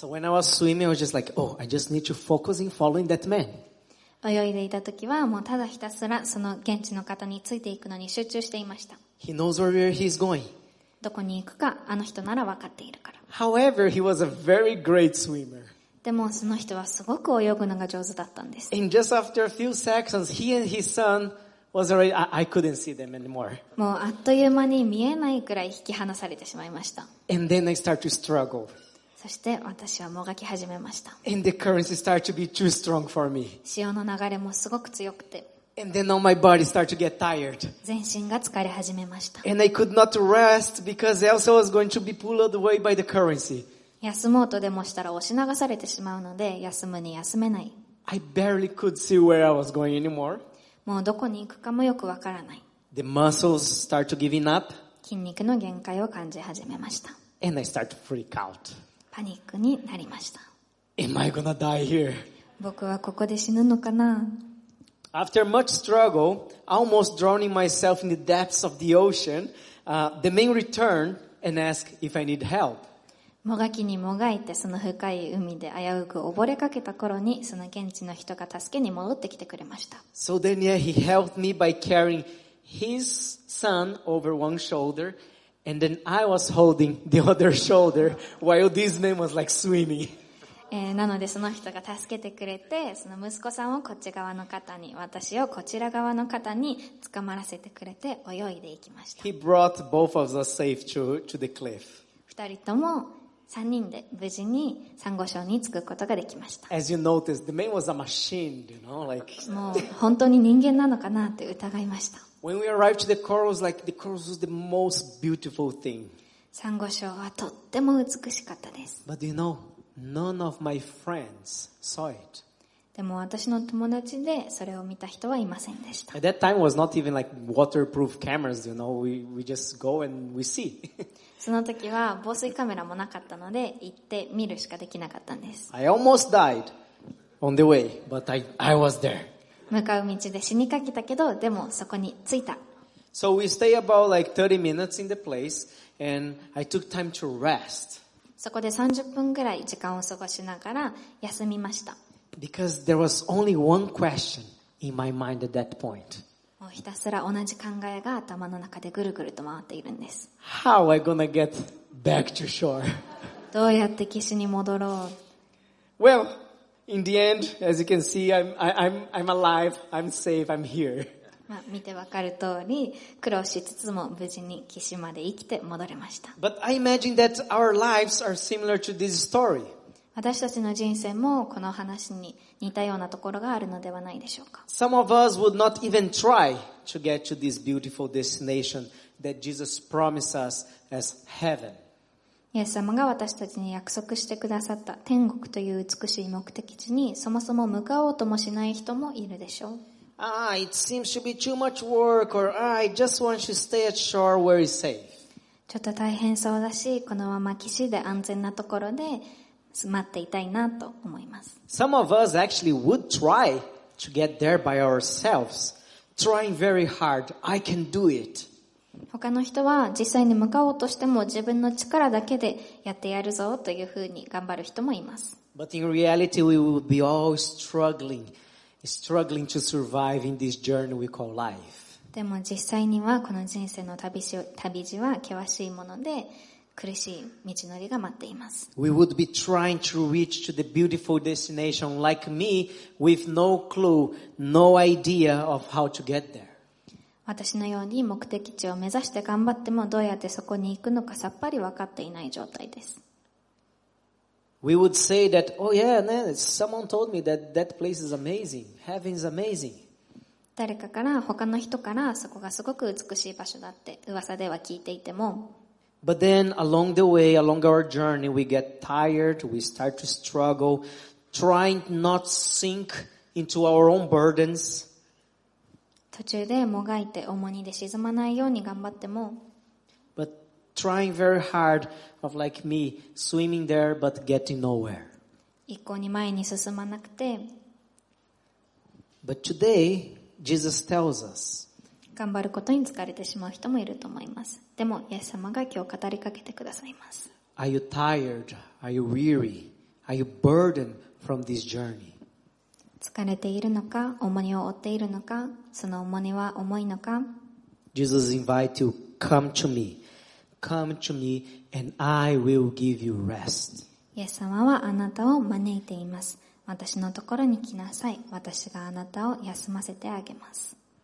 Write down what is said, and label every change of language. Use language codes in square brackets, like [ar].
[en] So when I was swimming, I was just like, I just need to focus in following that man. [ja] 泳いでいた時はもうただひたすらその現地の方についていくのに集中していました。 [en] He knows where he's going. [ja] どこに行くかあの人なら分かっているから。 [en] However, he was a very great swimmer. [ja] でもその人はすごく泳ぐのが上手だったんです。 [en] And just after a few seconds, he and his son was already, I couldn't see them anymore. [ja] もうあっという間に見えないくらい引き離されてしまいました。 [en] And then I start to struggle. [ja] そして私はもがき始めました。 [en] And the currents start to be too strong for me. [ja] 潮の流れもすごく強くて。 [en] And then all my body start to get tired. [ja] 全身が疲れ始めました。 [en] And I could not rest because Elsa was going to be pulled away by the currents. [ja] 休もうとでもしたら押し流されてしまうので、休むに休めない。 [en] I barely could see where I was going anymore. [ja] もうどこに行くかもよくわからない。 [en] The muscles start to giving up. [ja] 筋肉の限界を感じ始めました。 [en] And I start to freak out. [ja] パニックになりました。 [en] Am I gonna die here? [ja] 僕はここで死ぬのかな。 [en] After much struggle, almost drowning myself in the depths of the ocean, the man returned and asked if I need help. [ja] もがきにもがいてその深い海で危うく溺れかけた頃に、その現地の人が助けに戻ってきてくれました。 [en] So then, yeah, he helped me by carrying his son over one shoulder, and then I was holding the other shoulder while this man was like swimming. [ja] なのでその人が助けてくれて、その息子さんをこっち側の方に、私をこちら側の方に捕まらせてくれて泳いでいきました。 [en] He brought both of us safe to the cliff. [ja] 2人とも3人で無事にサンゴ礁に着くことができました。 [en] As you noticed, the man was a machine, you know, like... [ja] もう本当に人間なのかなって疑いました。 [en] When we arrived to the corals, like, the corals was the most beautiful thing. [ja] サンゴ礁はとっても美しかったです。 [en] But you knowNone of my friends saw it. [ja] でも私の友達でそれを見た人はいませんでした。 [en] At that time was not even like waterproof cameras, you know. We just go and we see. [ja] その時は防水カメラもなかったので行って見るしかできなかったんです。 [en] I almost died on the way, but I was there. [ja] 向かう道で死にかけたけど、でもそこに着いた。 [en] So we stay about like 30 minutes in the place, and I took time to rest. [ja] そこで30分ぐらい時間を過ごしながら休みました。 [en] Because there was only one question in my mind at that point. [ja] もうひたすら同じ考えが頭の中でぐるぐると回っているんです。 [en] How am I gonna get back to shore? [ja] どうやって岸に戻ろう? [en] Well, in the end, as you can see, I'm alive, I'm safe, I'm here. [ja] まあ見てわかる通り苦労しつつも無事に岸まで生きて戻れました。 [en] But I imagine that our lives are similar to this story. [ja] 私たちの人生もこの話に似たようなところがあるのではないでしょうか。 [en] Some of us would not even try to get to this beautiful destination that Jesus promised us as heaven. [ja] イエス様が私たちに約束してくださった天国という美しい目的地にそもそも向かおうともしない人もいるでしょう。 [en] It seems to be too much work, or I just want to stay at shore where it's safe. [ja] ちょっと大変そうだし、このまま岸で安全なところで待っていたいなと思います。 [en] Some of us actually would try to get there by ourselves, trying very hard. I can do it. [ja] 他の人は実際に向かおうとしても自分の力だけでやってやるぞというふうに頑張る人もいます。 [en] But in reality, we would be all struggling to survive in this journey we call life. [ja] でも実際にはこの人生の旅路は険しいもので苦しい道のりが待っています。 [en] We would be trying to reach to the beautiful destination like me with no clue, no idea of how to get there. [ja] 私のように目的地を目指して頑張ってもどうやってそこに行くのかさっぱり分かっていない状態です。 [en] We would say that, oh yeah, man, someone told me that place is amazing. Heaven is amazing. [ja] 誰かから他の人からそこがすごく美しい場所だって噂では聞いていても。 [en] But then along the way, along our journey, we get tired, we start to struggle, trying not sink into our own burdens. [ja] 途中でもがいて重荷で沈まないように頑張っても。 [en] Trying very hard of like me swimming there but getting nowhere. [ja] 一向に前に進まなくて。 [en] But today Jesus tells us. [ja] 頑張ることに疲れてしまう人もいると思います。でもイエス様が今日語りかけてくださいます。 [en] Are you tired? Are you weary? Are you burdened from this journey? [ja] 疲れているのか、重荷を負っているのか、その重荷は重いのか。 [en] Jesus invites you come to me. Come to me, and I will give you rest. [ja] イエス様はあなたを招いています。私のところに来なさい。私があなたを休ませてあげます。